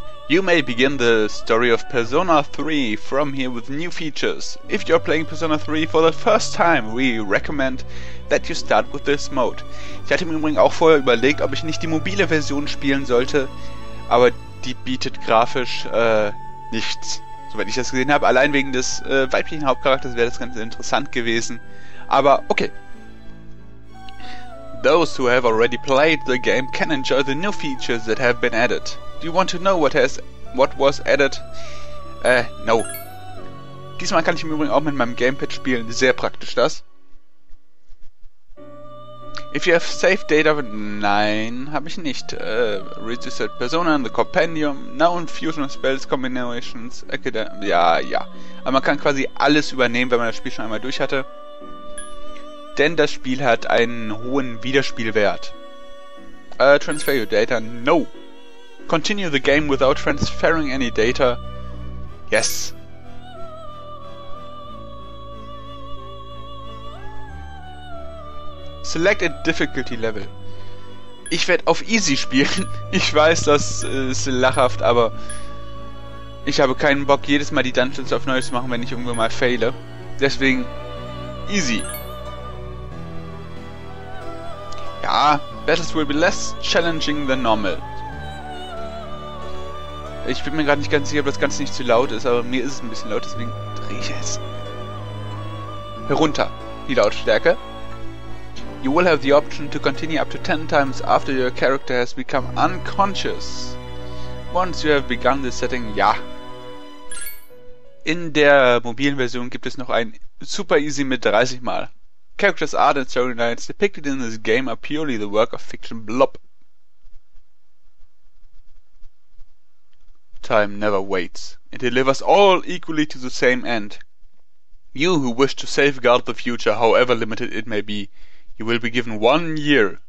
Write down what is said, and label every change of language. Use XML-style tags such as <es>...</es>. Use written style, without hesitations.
<en>You may begin the story of Persona 3 from here with new features. If you're playing Persona 3 for the first time, we recommend that you start with this mode.</en> <de>Ich hatte mir übrigens auch vorher überlegt, ob ich nicht die mobile Version spielen sollte, aber die bietet grafisch nichts, soweit ich das gesehen habe. Allein wegen des weiblichen Hauptcharakters wäre das Ganze interessant gewesen, aber okay.</de> <en>Those who have already played the game can enjoy the new features that have been added. Do you want to know what was added? No.</en> <de>Diesmal kann ich im Übrigen auch mit meinem Gamepad spielen. Sehr praktisch das.</de> <en>If you have saved data...</en> <de>Nein, habe ich nicht.</de> <en>Registered Persona in the Compendium. Known Fusion Spells Combinations. Ja, ja.</en> <de>Aber man kann quasi alles übernehmen, wenn man das Spiel schon einmal durch hatte. Denn das Spiel hat einen hohen Wiederspielwert.</de> <en>Transfer your data? No. Continue the game without transferring any data. Yes. Select a difficulty level.</en> <de>Ich werde auf easy spielen. Ich weiß, das ist lachhaft, aber ich habe keinen Bock, jedes Mal die Dungeons auf neu zu machen, wenn ich irgendwann mal faile. Deswegen easy.</de> <en>Ja, battles will be less challenging than normal.</en> <de>Ich bin mir gerade nicht ganz sicher, ob das Ganze nicht zu laut ist, aber mir ist es ein bisschen laut, deswegen drehe ich es herunter, die Lautstärke.</de> <en>You will have the option to continue up to 10 times after your character has become unconscious. Once you have begun this setting, ja.</en> <de>In der mobilen Version gibt es noch ein Super Easy mit 30 Mal.</de> <en>Characters, art and storylines depicted in this game are purely the work of fiction blob. Time never waits. It delivers all equally to the same end. You who wish to safeguard the future, however limited it may be, you will be given 1 year.</en>